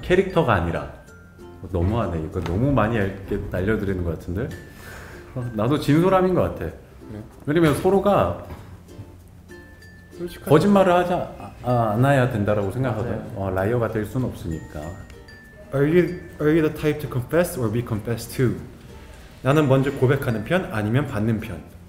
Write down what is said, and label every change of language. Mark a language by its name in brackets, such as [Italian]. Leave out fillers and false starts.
[Korean] 캐릭터가 아니라 너무하네. 이거 너무 많이 이렇게 날려드리는 것 같은데 나도 진솔함인 것 같아. 왜냐면 서로가 솔직하게 거짓말을 하지 않아야 된다라고 생각하거든. 라이어가 될 순 없으니까. [English] Are you the type to confess or be confessed to? [Korean] 나는 먼저 고백하는 편 아니면 받는 편.